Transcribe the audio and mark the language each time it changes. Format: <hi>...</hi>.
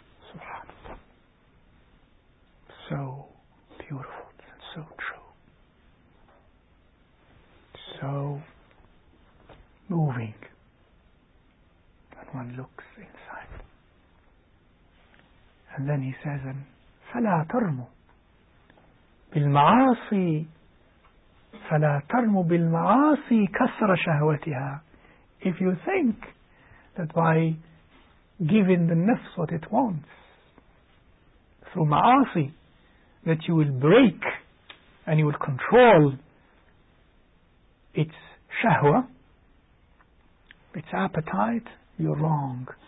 <en>Subhanallah. So beautiful and so true. So moving when one looks inside.</en> <ar>And then he says, فَلَا تَرْمُ بِالْمَعَاصِي فَلَا تَرْمُ بِالْمَعَاصِي كَسْرَ شَهْوَتِهَا.</ar> <en>If you think that by giving the nafs what it wants through ma'asi, that you will break and you will control its shahwa, its appetite, you're wrong.</en>